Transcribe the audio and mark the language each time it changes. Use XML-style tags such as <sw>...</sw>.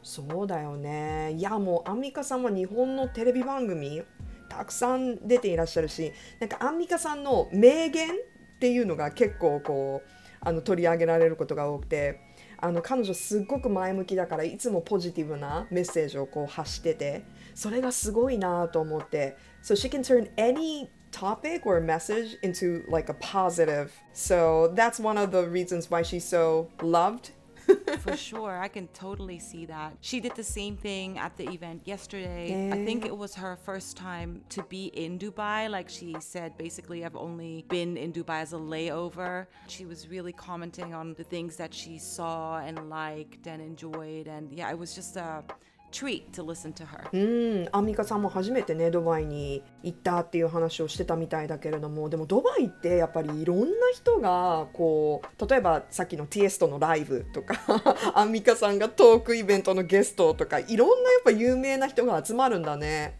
<ja>そうだよね。いや、もうアンミカさんは日本のテレビ番組たくさん出ていらっしゃるし、なんかアンミカさんの名言っていうのが結構こうあの取り上げられることが多くて、あの彼女すっごく前向きだから、いつもポジティブなメッセージをこう発してて、それがすごいなと思って。</ja> <en>So she can turn any topic or message into like a positive. So that's one of the reasons why she's so loved. For sure, I can totally see that. She did the same thing at the event yesterday. I think it was her first time to be in Dubai. Like she said, basically, I've only been in Dubai as a layover. She was really commenting on the things that she saw and liked and enjoyed. And yeah, it was just a treat to listen to her.</en> <ja>アンミカさんも初めてね、ドバイに行ったっていう話をしてたみたいだけれども、でもドバイってやっぱりいろんな人がこう、例えばさっきのティエストのライブとかアンミカさんがトークイベントのゲストとか、いろんなやっぱ有名な人が集まるんだね。</ja>